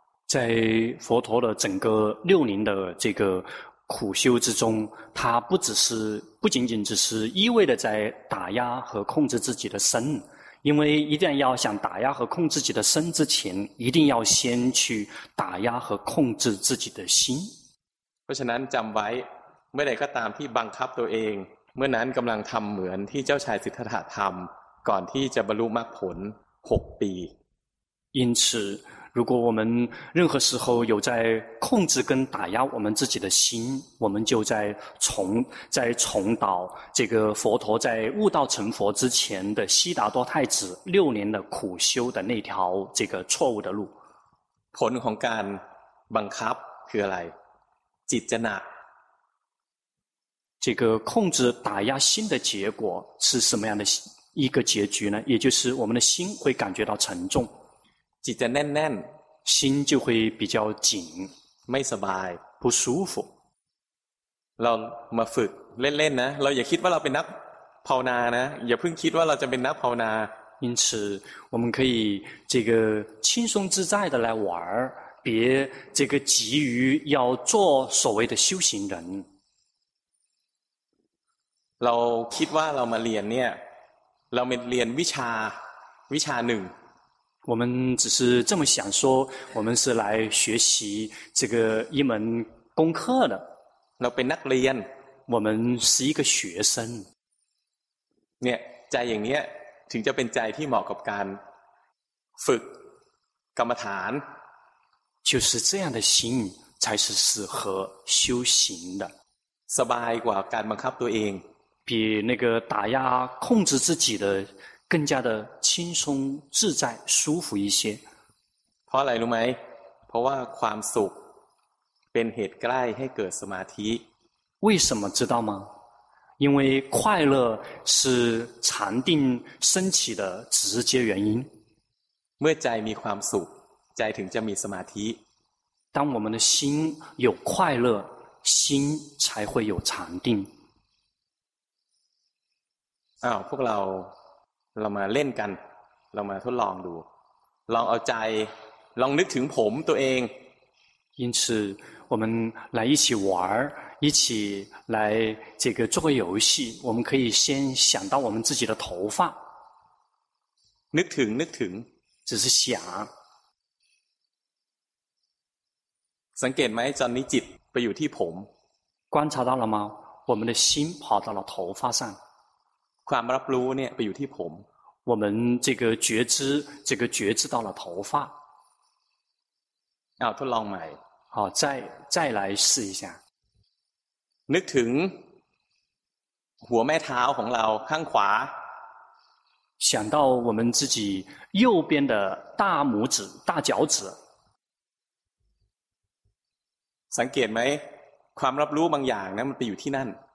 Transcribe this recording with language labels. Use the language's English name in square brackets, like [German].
[Chinese] 在佛陀的整个六年的这个苦修之中，他不仅仅只是一味的在打压和控制自己的身，因为一旦要想打压和控制自己的身之前，一定要先去打压和控制自己的心。 [Thai] เพราะฉะนั้นจำไว้เมื่อใดก็ตามที่บังคับตัวเองเมื่อนั้นกำลังทำเหมือนที่เจ้าชายสิทธัตถะทำก่อนที่จะบรรลุมรรคผล6ปี [Chinese] 因此如果我们任何时候有在控制跟打压我们自己的心，我们就在重蹈这个佛陀在悟道成佛之前的悉达多太子六年的苦修的那条这个错误的路。 [Thai] ผลของการบังคับคืออะไร？ จิตจะหนัก。 [Chinese] 这个控制打压心的结果是什么样的一个结局呢？也就是我们的心会感觉到沉重。 [Thai] จิตจะแน่น [Chinese] ๆ心就会比较紧 [Thai] ไม่สบาย [Chinese] 不舒服 [Thai] เรามาฝึกเล่นๆนะเราอย่าคิดว่าเราเป็นนักภาวนานะอย่าเพิ่งคิดว่าเราจะเป็นนักภาวนา [Chinese] 因此我们可以这个轻松自在的来玩别这个急于要做所谓的修行人 [Thai] เราคิดว่าเรามาเรียนเนี่ยเราเรียนวิชาหนึ่ง [Chinese] 我们只是这么想说我们是来学习这个一门功课的 [Thai] เราเป็นนักเรียน [Chinese] 我们是一个学生 [Thai] เนี่ยใจอย่างเนี้ยถึงจะเป็นใจที่เหมาะกับการฝึกกรรมฐาน [Chinese] 就是这样的心才是适合修行的 [Thai] สบายกว่าการบังคับตัวเอง [Chinese] 比那个打压控制自己的更加的轻松自在舒服一些 [Thai] เพราะอะไรรู้ไหมเพราะว่าความสุขเป็นเหตุใกล้ให้เกิดสมาธิ [Chinese] 为什么知道吗因为快乐是禅定升起的直接原因 [Thai] เมื่อใจมีความสุขใจถึงจะมีสมาธิ [Chinese] 当我们的心有快乐心才会有禅定 [Thai] าวพวกเรามาเล่นกันเรามาทดลองดูลองเอาใจลองนึกถึงผมตัวเอง [Chinese] 因此我们来一起玩一起来这个做个游戏我们可以先想到我们自己的头发 [Thai] นึกถึงนึกถึง [Chinese] 只是想 [Thai] สังเกตไหมตอนนี้จิตไปอยู่ที่ผม [Chinese] 观察到了吗我们的心跑到了头发上 [Thai] ความรับรู้เนี่ยไปอยู่ที่ผม [Chinese] 我们这个觉知这个觉知到了头发 [Thai] เอาทดลองใหม่ [Chinese] 好再来试一下 [Thai] นึกถึงหัวแม่เท้าของเราข้างขวา [Chinese] 想到我们自己右边的大拇指大脚趾 [Thai] สังเกตไหมความรับรู้บางอย่างนั้นมันไปอยู่ที่นั่น